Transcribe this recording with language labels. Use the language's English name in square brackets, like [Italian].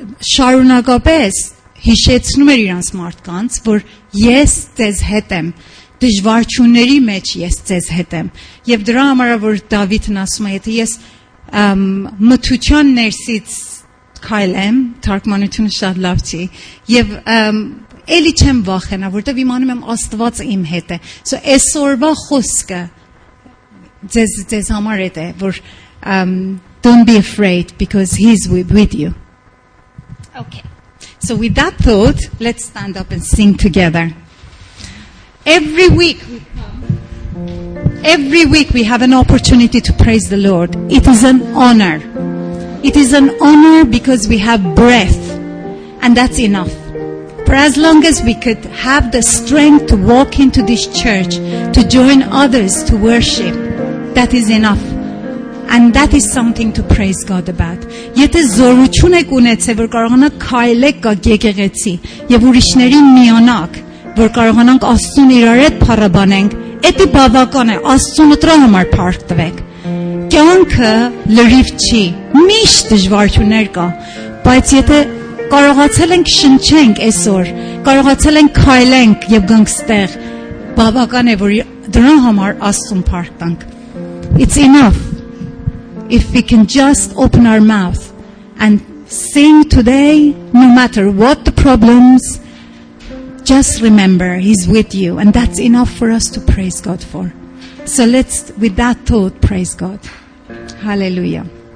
[Armenian] շարունակապես հիշեցնում էր իրանց մարդկանց, որ ես ձեզ հետ եմ, դժվարչունների մեջ ես ձեզ հետ եմ, և դրա համար, որ Դավիթն ասում է, եթե ես մթության ներսից քայլեմ, թարգմանությունը շատ լավ չի, և էլի չեմ վախենա, որտեղ իմանում եմ Աստված իմ հետ է, սո այսօրվա խոսքը ձեզ համար է, որ [English] don't be afraid because he's with you. Okay. So with that thought, let's stand up and sing together. Every week we have an opportunity to praise the Lord. It is an honor. It is an honor because we have breath, and that's enough. For as long as we could have the strength to walk into this church, to join others to worship, that is enough. And that is something to praise God about. [Armenian] Եթե զորություն եք ունեցել, որ կարողանաք քայլել գեղեցի, եւ ուրիշներին միանաք, որ կարողանանք Աստծուն իրար հետ փառաբանենք, էդի բավական է, Աստծուն ուտրա համար փառք տվեք. Կյանքը լրիվ չի, միշտ դժվարություններ կա, բայց եթե կարողացել ենք շնչենք այսօր, կարողացել ենք քայլենք եւ գանք ստեղ, բավական է, որ դրա համար Աստծուն փառք տանք. [English] It's enough. If we can just open our mouth and sing today, no matter what the problems, just remember he's with you, and that's enough for us to praise God for. So let's, with that thought, praise God. Hallelujah.